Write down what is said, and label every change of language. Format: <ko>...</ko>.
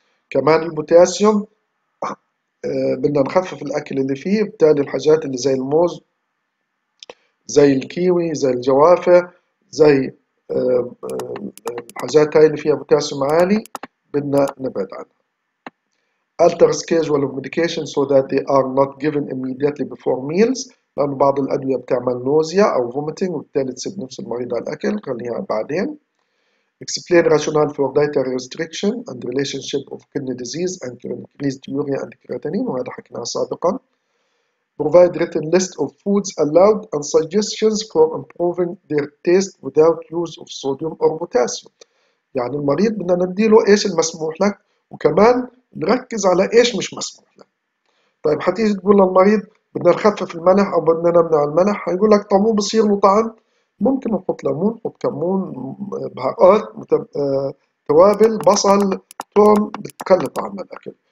<ar>كمان البوتاسيوم بدنا نخفف الأكل اللي فيه، بالتالي الحاجات اللي زي الموز زي الكيوي زي الجوافة زي الحاجات هاي اللي فيها بوتاسيوم عالي بدنا نبعد عنها.</ar> <en>Alter schedule of medication so that they are not given immediately before meals،</en> <ar>لأن بعض الأدوية بتعمل نوزيا أو vomiting وبالتالي تسيب نفس المريض على الأكل، خليها بعدين.</ar> <en>Explain rationale for dietary restriction and relationship of kidney disease and increased urea and creatinine،</en> <ar>وهذا حكيناه سابقا.</ar> <en>Provide written list of foods allowed and suggestions for improving their taste without use of sodium or potassium.</en> <ar>يعني المريض بدنا نديله ايش المسموح لك، وكمان نركز على ايش مش مسموح لك. طيب حتيجي تقول للمريض بدنا نخفف الملح او بدنا نمنع الملح، هيقول لك طب مو بصير له طعم؟ ممكن نحط ليمون، نحط كمون، بهارات، توابل، بصل، ثوم، بتقلل طعم الاكل.</ar>